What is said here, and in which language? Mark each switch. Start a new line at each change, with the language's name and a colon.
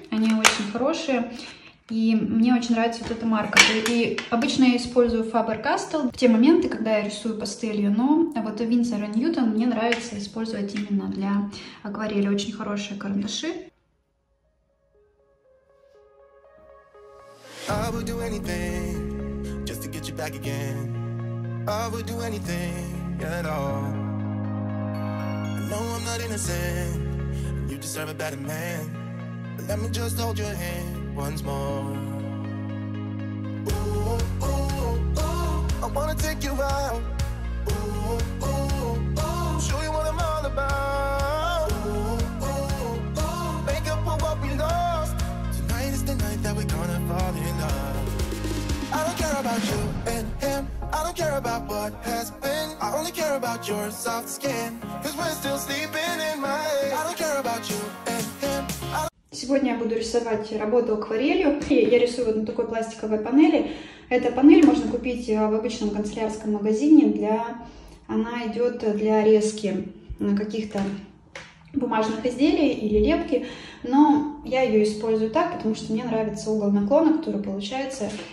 Russian: Они очень хорошие. И мне очень нравится вот эта марка. И обычно я использую Faber-Castell в те моменты, когда я рисую пастелью. Но вот Winsor & Newton мне нравится использовать именно для акварели. Очень хорошие карандаши.
English: I would do anything just to get you back again. I would do anything at all. I know I'm not innocent, and you deserve a better man. But let me just hold your hand once more. Ooh, ooh, ooh, I wanna take you out. Ooh, ooh, ooh, show you what I'm all about. Ooh, ooh, ooh, make up for what we lost. Tonight is the night that we're gonna fall in love. I don't care about you and him. I don't care about what has been. I only care about your soft skin. Cause we're still sleeping in my head. I don't care about you and him.
Russian: Сегодня я буду рисовать работу акварелью. Я рисую на такой пластиковой панели. Эта панель можно купить в обычном канцелярском магазине. Она идет для резки каких-то бумажных изделий или лепки. Но я ее использую так, потому что мне нравится угол наклона, который получается.